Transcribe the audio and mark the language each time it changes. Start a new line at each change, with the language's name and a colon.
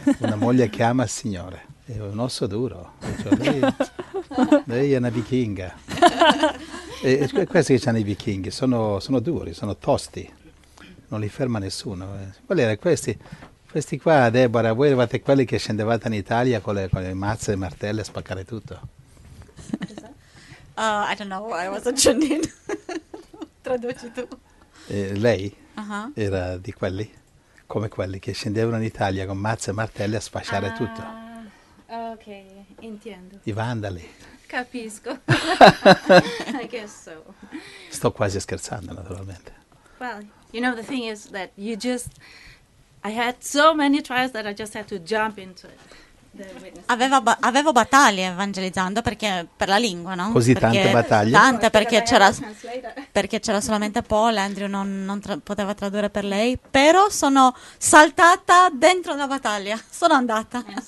Italian: Una moglie che ama il Signore. È un osso duro, lei è una vichinga. E questi che hanno i vichinghi sono duri, sono tosti, non li ferma nessuno. Quali erano questi? Questi qua, Deborah, voi eravate quelli che scendevate in Italia con le mazze, le martelle a spaccare tutto.
English: I don't know why I was a Janine.
Italian: Traduci tu. Lei uh-huh. era di quelli, come quelli che scendevano in Italia con mazze e martelli a sfasciare tutto. Ok, intendo. I vandali. Capisco.
English: I guess so.
Italian: Sto quasi scherzando, naturalmente.
English: Well, you know, the thing is that you just... I had so many trials that I just had to jump into it.
Italian: Avevo battaglie evangelizzando perché per la lingua, no? Così tante perché battaglie? Tante, perché c'era solamente Paul, Andrew non poteva tradurre per lei, però sono saltata dentro la battaglia, sono andata.